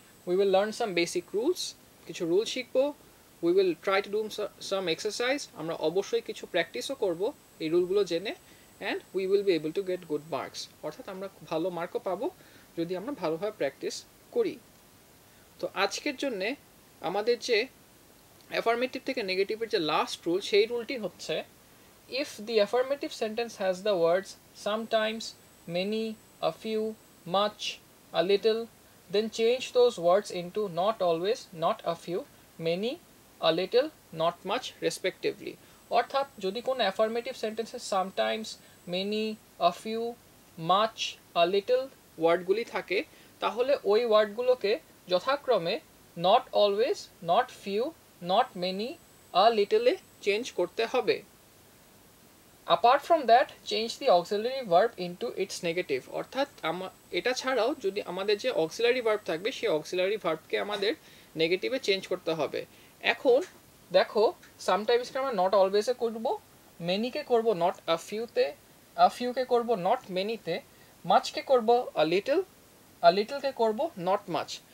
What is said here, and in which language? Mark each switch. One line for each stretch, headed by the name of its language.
English: we will learn some basic rules,
Bangla: কিছু rule শিখব,
English: we will try to do some exercise,
Bangla: আমরা অবশ্যই কিছু প্র্যাকটিসও করব এই রুলগুলো জেনে,
English: and we will be able to get good marks,
Bangla: অর্থাৎ আমরা ভালো মার্কও পাবো যদি আমরা ভালোভাবে প্র্যাকটিস করি। তো আজকের জন্যে আমাদের যে অ্যাফার্মেটিভ থেকে নেগেটিভের যে লাস্ট রুল, সেই রুলটি হচ্ছে
English: If the affirmative sentence has the words sometimes, many, a few, much, a little, then change those words into not always, not a few, many, a little, not much, respectively.
Bangla: অর্থাৎ যদি কোন affirmative sentence sometimes, many, a few, much, a little ওয়ার্ডগুলি থাকে, তাহলে ওই ওয়ার্ডগুলোকে যথাক্রমে not always, not few, not many, a little A change করতে হবে।
English: apart from that change the auxiliary verb into its negative,
Bangla: অর্থাৎ এটা ছাড়াও যদি আমাদের যে অক্সিলারি ভার্ব থাকবে সেই অক্সিলারি ভার্বকে আমাদের নেগেটিভে চেঞ্জ করতে হবে। এখন দেখো, সামটাইমসকে আমরা নট অলওয়েজে করবো, মেনিকে করবো নট আ ফিউতে, আ ফিউকে করবো নট মেনিতে, মাছকে করবো আ লিটল, আ লিটলকে করবো নট মাচ।